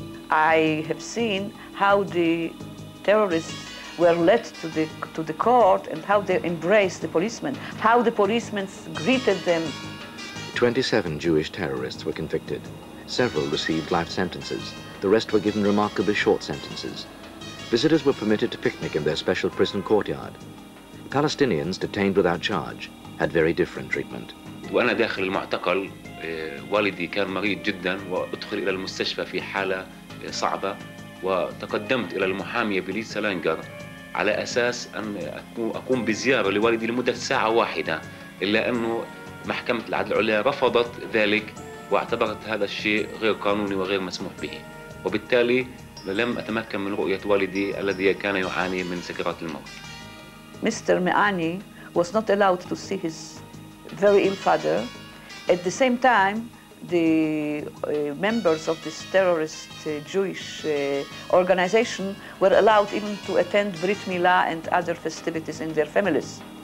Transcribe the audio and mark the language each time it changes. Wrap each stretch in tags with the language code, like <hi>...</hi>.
<en>I have seen how the terrorists were led to the court and how they embraced the policemen, how the policemen greeted them. 27 Jewish terrorists were convicted. Several received life sentences. The rest were given remarkably short sentences. Visitors were permitted to picnic in their special prison courtyard. Palestinians detained without charge had very different treatment.</en> <ar>وانا داخل المعتقل والدي كان مريض جدا وادخل الى المستشفى في حاله صعبه وتقدمت الى المحاميه بليز سلانجر على اساس ان اقوم بزياره لوالدي لمده ساعه واحده الا انه محكمه العدل العليا رفضت ذلك واعتبرت هذا الشيء غير قانوني وغير مسموح به وبالتالي لم اتمكن من رؤيه والدي الذي كان يعاني من سكرات الموت.</ar> <en>Mr. Meani was not allowed to see his very ill father. At the same time, the members of this terrorist Jewish organization were allowed even to attend Brit Milah and other festivities in their families.</en>